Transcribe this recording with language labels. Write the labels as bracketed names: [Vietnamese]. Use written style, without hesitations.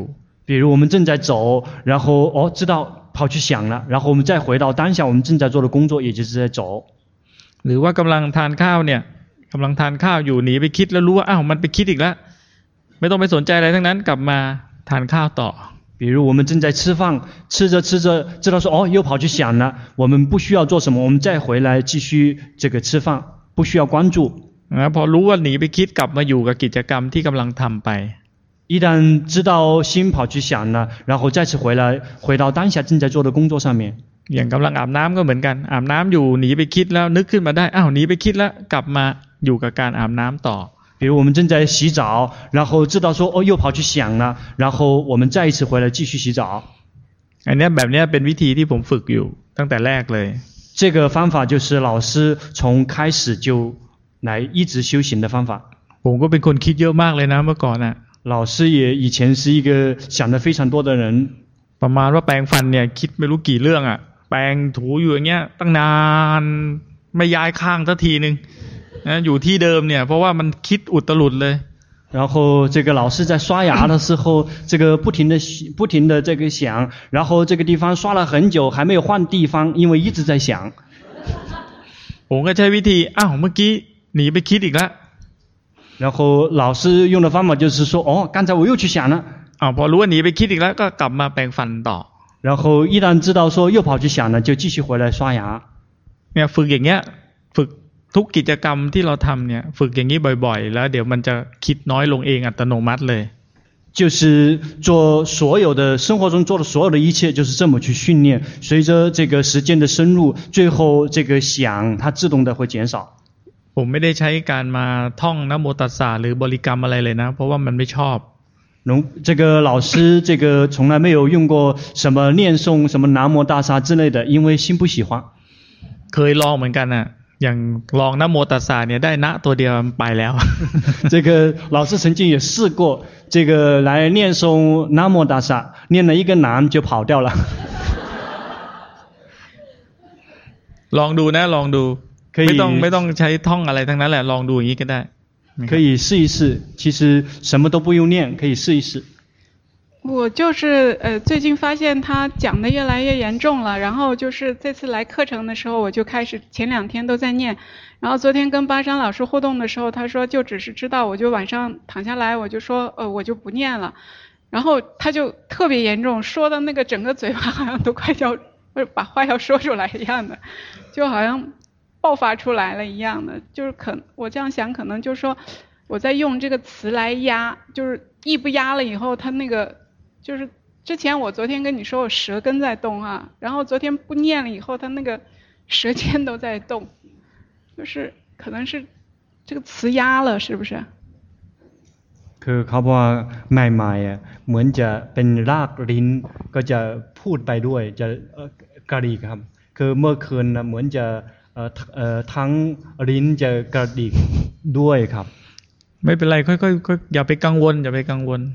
[Chinese] 比如我们正在走然后哦知道跑去想了然后我们再回到当下我们正在做的工作也就是在走 [Thai] หรือว่ากำลังทานข้าวเนี่ยกำลังทานข้าวอยู่หนีไปคิดแล้วรู้ว่าอ้าวมันไปคิดอีกแล้วไม่ต้องไปสนใจอะไรทั้งนั้นกลับมาทานข้าวต่อ [Chinese] 比如我们正在吃饭吃着吃着知道说哦又跑去想了我们不需要做什么我们再回来继续这个吃饭不需要关注 [Thai] พอรู้ว่าหนีไปคิดกลับมาอยู่กับกิจกรรมที่กำลังทำไป [Chinese] 一旦知道心跑去想了然后再次回来回到当下正在做的工作上面 [Thai] อย่างกำลังอาบน้ำก็เหมือนกันอาบน้ำอยู่หนีไปคิดแล้วนึกขึ้นมาได้อ้าวหนีไปคิดแล้วกลับมาอยู่กับการอาบน้ำต่อ [Chinese] 比如我们正在洗澡然后知道说哦又跑去想了然后我们再一次回来继续洗澡 [Thai] อันนี้แบบนี้เป็นวิธีที่ผมฝึกอยู่ตั้งแต่แรกเลย [Chinese] 这个方法就是老师从开始就来一直修行的方法 [Thai] ผมก็เป็นคนคิดเยอะมากเลยนะเมื่อก่อนอ่ะ [Chinese] 老师也以前是一个想的非常多的人 [Thai] ประมาณว่าแปรงฟันเนี่ยคิดไม่รู้กี่เรื่องอ่ะแปรงถูอยู่อย่างเงี้ยตั้งนานไม่ย้ายข้างสักทีนึงนะอยู่ที่เดิมเนี่ยเพราะว่ามันคิดอุตลุดเลย [Chinese] 然后这个老师在刷牙的时候这个不停的这个想然后这个地方刷了很久还没有换地方因为一直在想 [Thai] ผมก็ใช้วิธีอ้าวเมื่อกี้หนีไปคิดอีกแล้ [Chinese] ว然后老师用的方法就是说哦刚才我又去想了 [Thai] พอรู้ว่าหนีไปคิดอีกแล้วก็กลับมาแปรงฟันต่อ [Chinese] 然后一旦知道说又跑去想了就继续回来刷牙 [Thai] เนี่ยฝึกอย่างเงี้ยฝึกทุกกิจกรรมที่เราทำเนี่ยฝึกอย่างนี้บ่อยๆแล้วเดี๋ยวมันจะคิดน้อยลงเองอัตโนมัติเลย [Chinese] 就是做所有的生活中做的所有的一切就是这么去训练随着这个时间的深入最后这个想它自动的会减少 [Thai] ผมไม่ได้ใช้การมาท่องนะโมตัสสะหรือบริกรรมอะไรเลยนะเพราะว่ามันไม่ชอบ [Chinese] 这个老师这个从来没有用过什么念诵什么南无大沙之类的因为心不喜欢 [Thai] เคยลองเหมือนกันนะอย่างลองนะโมตัสสะเนี่ยได้นะตัวเดียวไปแล้ว [Chinese] 这个老师曾经也试过这个来念诵南无大沙念了一个南就跑掉了 [Thai] ลองดูนะลองดูไม่ต้องใช้ท่องอะไรทั้งนั้นแหละลองดูอย่างนี้ก็ได้ [Chinese] 可以试一试，其实什么都不用念，可以试一试。我就是最近发现他讲的越来越严重了，然后就是这次来课程的时候，我就开始前两天都在念，然后昨天跟巴山老师互动的时候，他说就只是知道，我就晚上躺下来，我就说我就不念了，然后他就特别严重，说的那个整个嘴巴好像都快要把话要说出来一样的，就好像。爆发出来了一样的就是我这样想可能就是说我在用这个词来压就是一不压了以后它那个就是之前我昨天跟你说我舌根在动啊然后昨天不念了以后它那个舌尖都在动就是可能是这个词压了是不是 [Thai] คือเขาบอกใหม่ๆอ่ะเหมือนจะเป็นรากลิ้นก็จะพูดไปด้วยจะกระดิกครับคือเมื่อคืนน่ะเหมือนจะทั้งลิ้นจะกระดิกด้วยครับ ไม่เป็นไรค่อยๆอย่าไปกังวลอย่าไปกังวล